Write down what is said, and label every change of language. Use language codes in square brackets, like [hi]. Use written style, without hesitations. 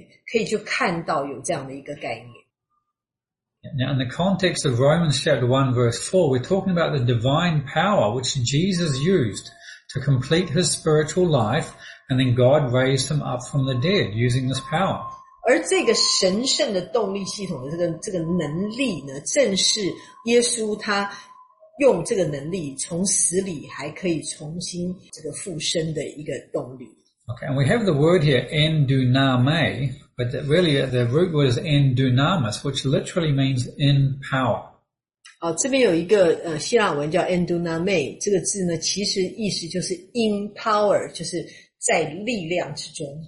[zh] 所以呢，这个所谓神圣的动力系统哦，人家会以为说是上校牧师发明的，但其实不是。他这是完全根据圣经里面的金句里面，可以就看到有这样的一个概念。 [en] Now, in the context of Romans 1:4, we're talking about the divine power which Jesus used to complete his spiritual life, and then God raised him up from the dead using this power. [zh] 而这个神圣的动力系统的这个能力呢，正是耶稣他用这个能力从死里还可以重新这个复生的一个动力。Okay, [en] and we have the word here, en dunamai. But really, the root word is en dunamis, which literally means in power. [zh] 这边有一个希腊文叫 en dunamai, 这个字呢，其实意思就是 [en] in power, [zh] 就是在力量之中。